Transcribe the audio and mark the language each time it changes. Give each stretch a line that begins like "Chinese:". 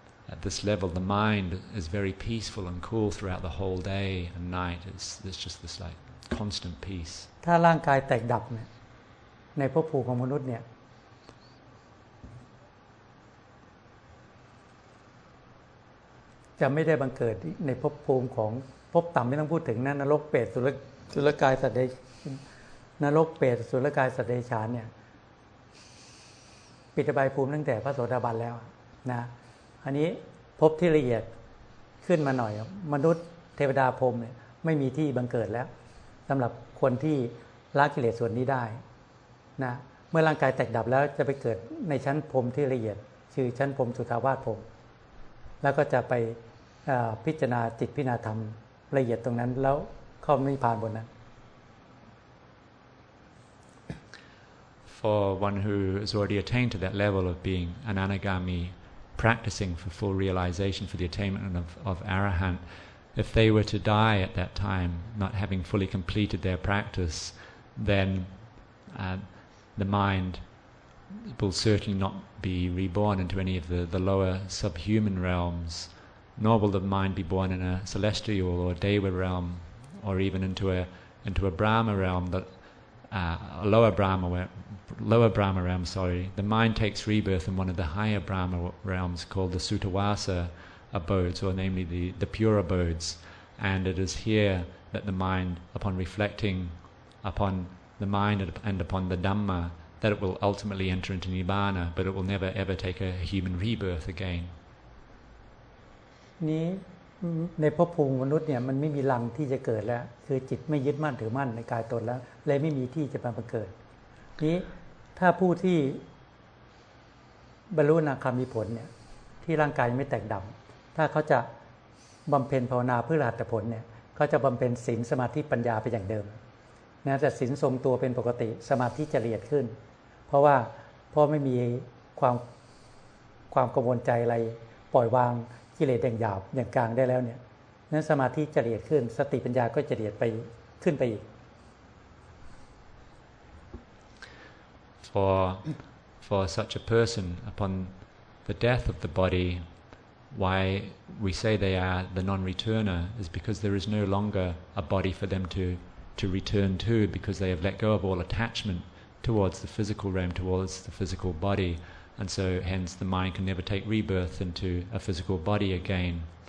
English: At this level, the mind is very peaceful and cool throughout the whole day and night. It's just this like constant peace.
Thai: ถ้าร่างกายแตกดับเนี่ยในภพภูมิของมนุษย์เนี่ยจะไม่ได้บังเกิดในภพภูมิของภพต่ำที่ต้องพูดถึงนั้นนรกเปรตสุรกายสัตว์เดชนรกเปรตสุรกายสัตว์เดชานเนี่ย ปิดอบายภูมิตั้งแต่พระโสดาบันแล้วนะอันนี้ภพที่ละเอียดขึ้นมาหน่อยมนุษย์เทวดาพรหมเนี่ยไม่มีที่บังเกิดแล้วสำหรับคนที่ละกิเลสส่วนนี้ได้นะเมื่อร่างกายแตกดับแล้วจะไปเกิดในชั้นพรหมที่ละเอียดคือชั้นพรหมสุทาวาสพรหมแล้วก็จะไปพิจารณาจิตพิจารณาธรรมละเอียดตรงนั้นแล้วเข้าไม่ผ่านบนนั้น
English: For one who has already attained to that level of being an anagami practicing for full realization for the attainment of arahant if they were to die at that time not having fully completed their practice then the mindwill certainly not be reborn into any of the lower subhuman realms, nor will the mind be born in a celestial or deva realm, or even into a Brahma realm, a lower Brahma realm. The mind takes rebirth in one of the higher Brahma realms called the Sutavasa abodes, or namely the pure abodes. And it is here that the mind, upon reflecting upon the mind and upon the Dhamma, that it will ultimately enter into nibbana, but it will never ever take a human rebirth again.
Thai: นี้ในภพภูมิมนุษย์เนี่ยมันไม่มีรังที่จะเกิดแล้วคือจิตไม่ยึดมั่นถือมั่นในกายตนแล้วเลยไม่มีที่จะมาเกิดนี้ถ้าผู้ที่ บรรลุอนาคามีผลเนี่ยที่ร่างกายไม่แตกดับถ้าเขาจะบำเพ็ญภาวนาเพื่อรหัตผลเนี่ยเขาจะบำเพ็ญศีลสมาธิปัญญาไปอย่างเดิมนะแต่ศีลทรงตัวเป็นปกติสมาธิจะละเอียดขึ้นเพราะว่าพ่อไม่มีความกังวลใจอะไรปล่อยวางกิเลสอย่างหยาบอย่างกลางได้แล้วเนี่ยนั้นสมาธิจะละเอียดขึ้นสติปัญญาก็จะละเอียดไปขึ้นไปอีก
English: for such a person upon the death of the body why we say they are the non-returner is because there is no longer a body for them to return to because they have let go of all attachment towards the physical realm, towards the physical body, and so hence the mind can never take rebirth into a physical body again.